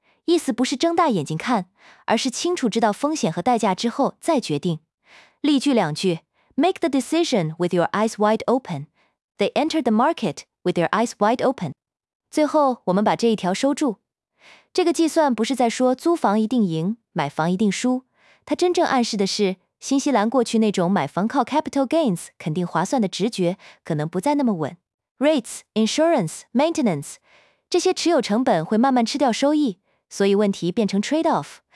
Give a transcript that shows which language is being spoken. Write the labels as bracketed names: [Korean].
[Chinese] 意思不是睁大眼睛看，而是清楚知道风险和代价之后再决定。例句两句 [English] ：Make the decision with your eyes wide open. They entered the market with their eyes wide open. [Chinese] 最后，我们把这一条收住。这个计算不是在说租房一定赢，买房一定输，它真正暗示的是，新西兰过去那种买房靠 capital gains 肯定划算的直觉可能不再那么稳。 [English] Rates, insurance, maintenance， [Chinese] 这些持有成本会慢慢吃掉收益，所以问题变成 trade-off。